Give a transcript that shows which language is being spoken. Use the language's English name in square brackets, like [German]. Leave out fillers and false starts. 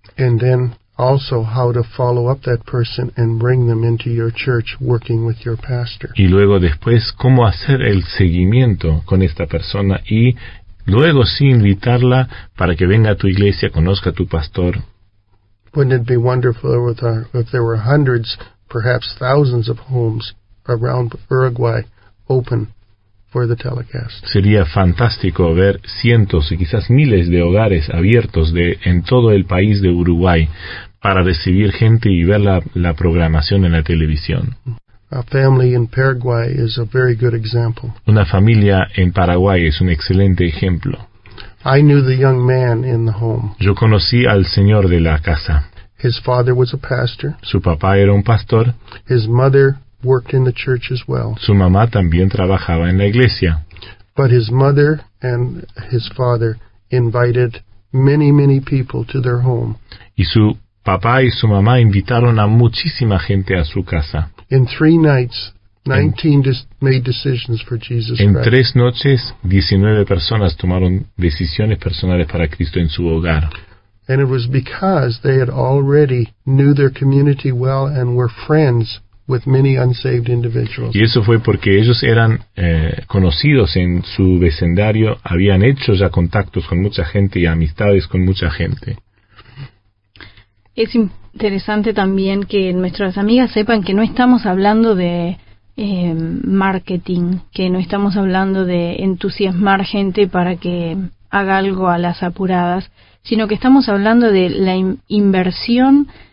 [English] And then also how to follow up that person and bring them into your church working with your pastor. [Spanish] Y luego después cómo hacer el seguimiento con esta persona y luego sí invitarla para que venga a tu iglesia, conozca a tu pastor. [English] Wouldn't it be wonderful if there were hundreds, perhaps thousands of homes around Uruguay open for the telecast? [Spanish] Sería fantástico ver cientos y quizás miles de hogares abiertos de en todo el país de Uruguay para recibir gente y ver la programación en la televisión. [English] A family in Paraguay is a very good example. [Spanish] Una familia en Paraguay es un excelente ejemplo. [English] I knew the young man in the home. [Spanish] Yo conocí al señor de la casa. [English] His father was a pastor. [Spanish] Su papá era un pastor. [English] His mother worked in the church as well. [Spanish] Su mamá también trabajaba en la iglesia. [English] But his mother and his father invited many, many people to their home. [Spanish] Y su papá y su mamá invitaron a muchísima gente a su casa. [English] In three nights, 19 made decisions for Jesus Christ. [Spanish] En tres noches, 19 personas tomaron decisiones personales para Cristo en su hogar. [English] And it was because they had already knew their community well and were friends with many unsaved individuals. [Spanish] Y eso fue porque ellos eran conocidos en su vecindario, habían hecho ya contactos con mucha gente y amistades con mucha gente. Es interesante también que nuestras amigas sepan que no estamos hablando de marketing, que no estamos hablando de entusiasmar gente para que haga algo a las apuradas, sino que estamos hablando de la inversión